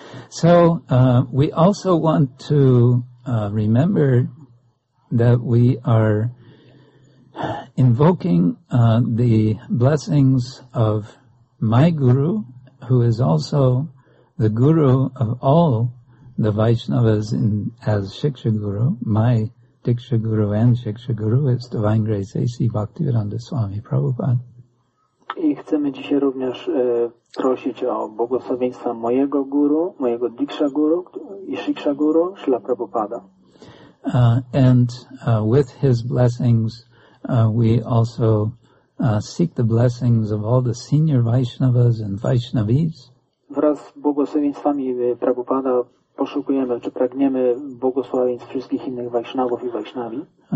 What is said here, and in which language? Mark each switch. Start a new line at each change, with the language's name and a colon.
English: So, we also want to remember that we are invoking the blessings of my guru, who is also the guru of all the Vaishnavas in, as Shiksha Guru. My Diksha Guru and Shiksha Guru is Divine Grace A.C. Bhaktivedanta Swami Prabhupada.
Polish: I chcemy dzisiaj również prosić o błogosławieństwa mojego guru, mojego Diksha Guru i Shiksha Guru, Śrila Prabhupada.
English: And with his blessings, we also seek the blessings of all the senior Vaishnavas and Vaishnavis.
Polish: Wraz z błogosławieństwami Prabhupada poszukujemy, czy pragniemy błogosławieństw wszystkich innych Vaishnavów i Vaishnavi.